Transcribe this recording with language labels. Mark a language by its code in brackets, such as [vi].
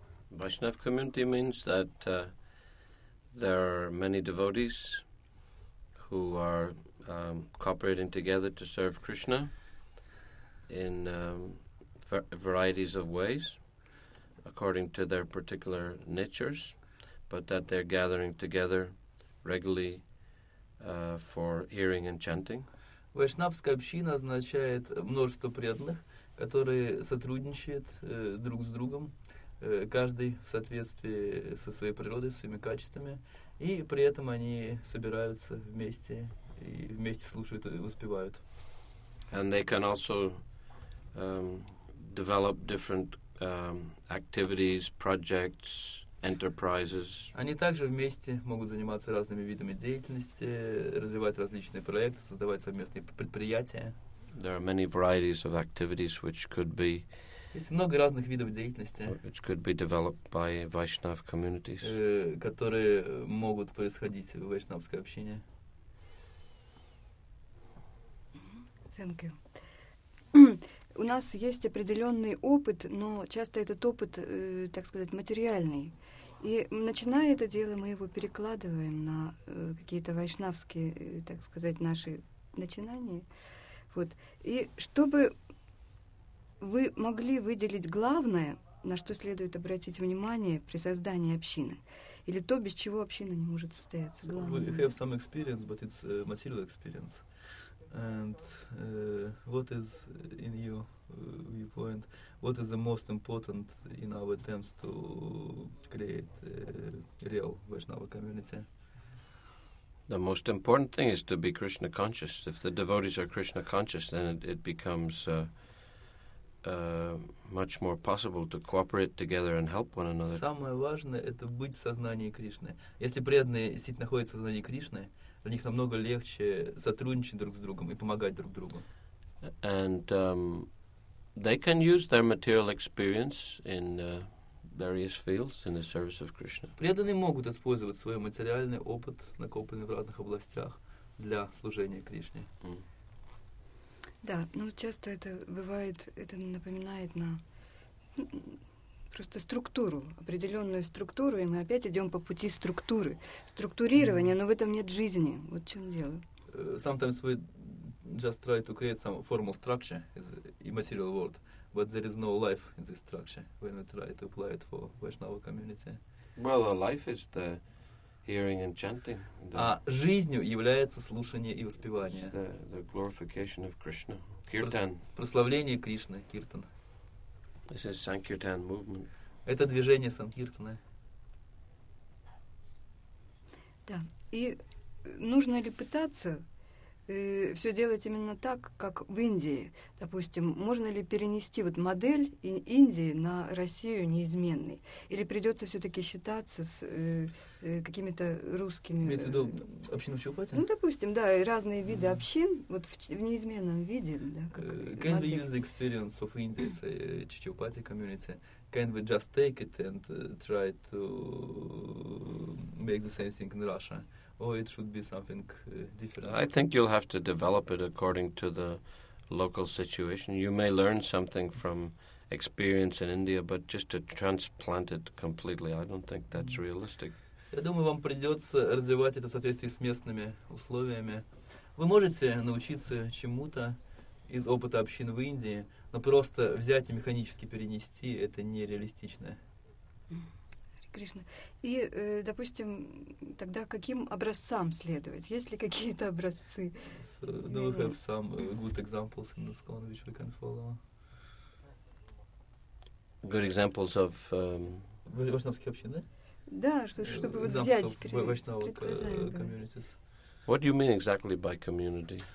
[en] Vaishnava community means that there are many devotees who are cooperating together to serve Krishna in varieties of ways according to their particular natures, but that they're gathering together regularly for hearing and chanting. [ru] Вайшнавская община означает множество преданных, которые сотрудничают друг с другом, каждый в соответствии со своей природой, своими качествами, и при этом они собираются вместе и вместе слушают и воспевают. [en] And they can also develop different activities, projects, enterprises. [ru] Они также вместе могут заниматься разными видами деятельности, развивать различные проекты, создавать совместные предприятия. [en] There are many varieties of activities which could be. [ru] Есть много разных видов деятельности. [en] Which could be developed by Vaishnav communities. [ru] Которые могут происходить в вайшнавской общине. [en] Thank you. [ru] У нас есть определенный опыт, но часто этот опыт, так сказать, материальный. И начиная это дело, мы его перекладываем на какие-то вайшнавские, так сказать, наши начинания. Вот. И чтобы вы могли выделить главное, на что следует обратить внимание при создании общины, или то, без чего община не может состояться. Главное. [en] We have some experience, but it's material experience. And what is in your viewpoint? What is the most important in our attempts to create a real Vaishnava community? The most important thing is to be Krishna conscious. If the devotees are Krishna conscious, then it becomes much more possible to cooperate together and help one another. [ru] Самое важное – это быть в сознании Кришны. Если преданные действительно находятся в сознании Кришны, для них намного легче сотрудничать друг с другом и помогать друг другу. [en] And they can use their material experience in various fields in the service of Krishna. [ru] Преданные могут использовать свой материальный опыт, накопленный в разных областях, для служения Кришне. Mm. Да, ну часто это бывает, это напоминает на просто структуру, определенную структуру, и мы опять идем по пути структуры. Структурирование, но в этом нет жизни. Вот в чем дело. [en] Sometimes we just try to create some formal structure in material world, but there is no life in this structure when we try to apply it for Vaishnava community. Well, a life is the hearing and chanting. [ru] А жизнью является слушание и воспевание. [en] The glorification of Krishna. Kirtan. [ru] Прославление Кришны, киртан. [en] This is Sankirtan movement. [ru] Это движение Санкиртаны. Да. И нужно ли пытаться все делать именно так, как в Индии? Допустим, можно ли перенести вот модель Индии на Россию неизменной? Или придется все-таки считаться с какими-то русскими... Имеется в виду общину Шиупати? Ну, допустим, да, и разные виды общин вот в неизменном виде. Да, как [en] can [ru] модель. [en] We use the experience of India as a Шиупати community? Can we just take it and try to make the same thing in Russia? Or it should be something different? I think you'll have to develop it according to the local situation. You may learn something from experience in India, but just to transplant it completely, I don't think that's realistic. [ru] Я думаю, вам придется развивать это в соответствии с местными условиями. Вы можете научиться чему-то из опыта общин в Индии, но просто взять и механически перенести – это нереалистично. [en] Thank Кришна. [ru] И, допустим, тогда каким образцам следовать? Есть ли какие-то образцы? [en] So, do we have some good examples in the school which we can follow? Good examples of... [ru] Вайшнавские общины? Да, чтобы вот взять предпризами. [en] What do you mean exactly by community?